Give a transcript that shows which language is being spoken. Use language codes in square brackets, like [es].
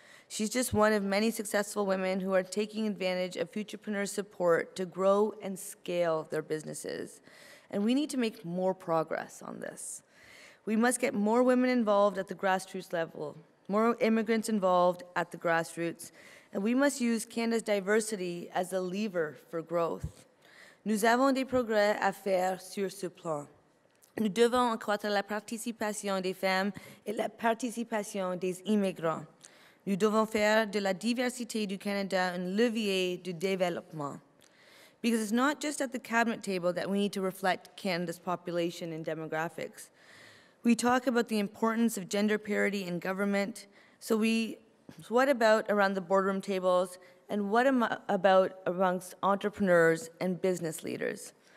[en] She's just one of many successful women who are taking advantage of Futurepreneur's support to grow and scale their businesses. And we need to make more progress on this. We must get more women involved at the grassroots level, more immigrants involved at the grassroots, and we must use Canada's diversity as a lever for growth. [fr] Nous avons des progrès à faire sur ce plan. Nous devons accroître la participation des femmes et la participation des immigrants. Nous devons faire de la diversité du Canada un levier de développement. [en] Because it's not just at the cabinet table that we need to reflect Canada's population and demographics. We talk about the importance of gender parity in government. So what about around the boardroom tables? And what about amongst entrepreneurs and business leaders?